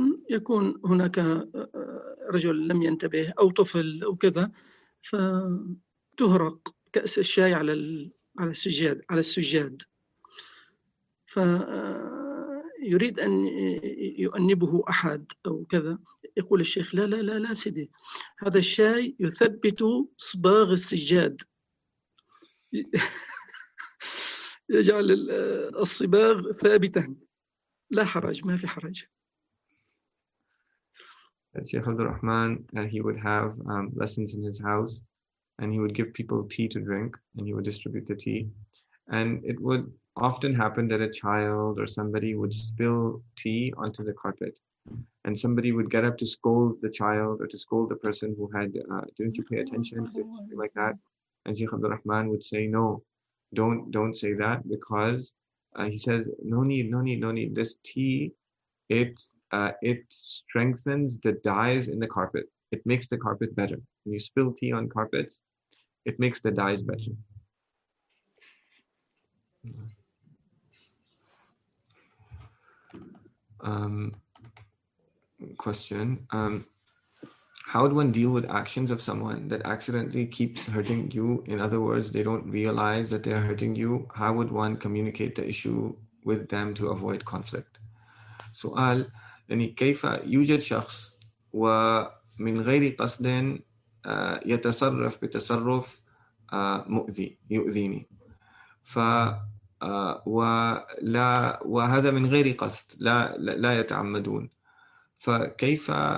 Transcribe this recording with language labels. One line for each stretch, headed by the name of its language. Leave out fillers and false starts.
Arabic: يكون هناك رجل لم ينتبه أو طفل أو كذا، فتهرق كأس الشاي على السجاد، فيريد أن يؤنبه أحد أو كذا، يقول الشيخ لا لا لا لا سيدي، هذا الشاي يثبت صباغ السجاد، يجعل الصباغ ثابتا، لا حرج، ما في حرج.
English: Sheikh Abdul Rahman, he would have lessons in his house, and he would give people tea to drink, and he would distribute the tea, and it would often happen that a child or somebody would spill tea onto the carpet. And somebody would get up to scold the child or to scold the person who had, didn't you pay attention, to something like that. And Sheikh Abdul Rahman would say, no, don't say that, because he says, no need. This tea, it strengthens the dyes in the carpet. It makes the carpet better. When you spill tea on carpets, it makes the dyes better. Question. How would one deal with actions of someone that accidentally keeps hurting you? In other words, they don't realize that they're hurting you. How would one communicate the issue with them to avoid conflict?
Arabic: سؤال يعني كيف يوجد شخص ومن غير قصد يتصرف بتصرف مؤذي يؤذيني ف ولا وهذا من غير قصد لا يتعمدون فكيف